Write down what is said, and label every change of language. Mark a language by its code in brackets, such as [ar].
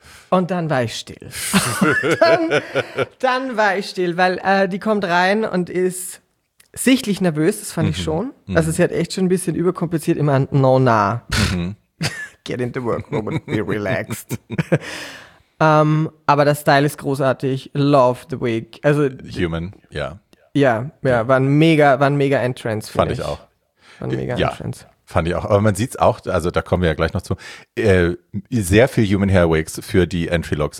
[de] Und dann war ich still. dann war ich still, weil die kommt rein und ist sichtlich nervös, das fand ich schon. Mhm. Also sie hat echt schon ein bisschen überkompliziert, immer no-na. Mhm. [en] Get in the workroom and be relaxed. [de] aber der Style ist großartig. [en] Love the wig. Also, [de] Human, ja. Ja, war ein mega Entrance, fand ich auch. War ein mega Entrance. Fand ich auch. Aber man sieht es auch, also da kommen wir ja gleich noch zu, sehr viel Human Hair Wigs für die Entry-Looks.